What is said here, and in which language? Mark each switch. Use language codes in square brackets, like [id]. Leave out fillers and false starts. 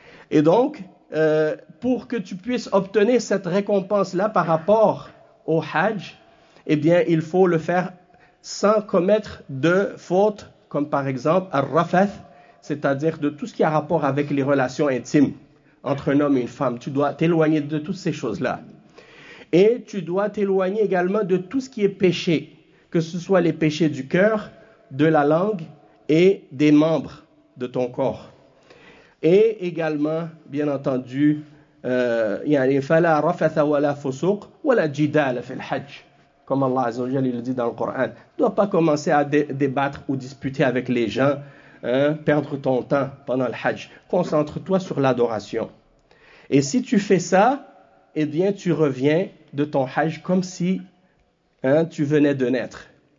[fr] Et donc, pour que tu puisses obtenir cette récompense-là par rapport au hajj, eh bien, il faut le faire sans commettre de fautes, comme par exemple al-rafath, c'est-à-dire de tout ce qui a rapport avec les relations intimes entre un homme et une femme. Tu dois t'éloigner de toutes ces choses-là. Et tu dois t'éloigner également de tout ce qui est péché, que ce soit les péchés du cœur, de la langue et des membres de ton corps. Et également, bien entendu, [ar] فَلَا رَفَثَ وَلَا فُسُقْ وَلَا جِدَالَ فِي الْحَجِّ. [fr] Comme Allah Azza wa Jalla le dit dans le Coran. Ne dois pas commencer à débattre ou disputer avec les gens, hein, perdre ton temps pendant le hajj. Concentre-toi sur l'adoration. Et si tu fais ça, eh bien, tu reviens de ton hajj comme si tu venais de naître.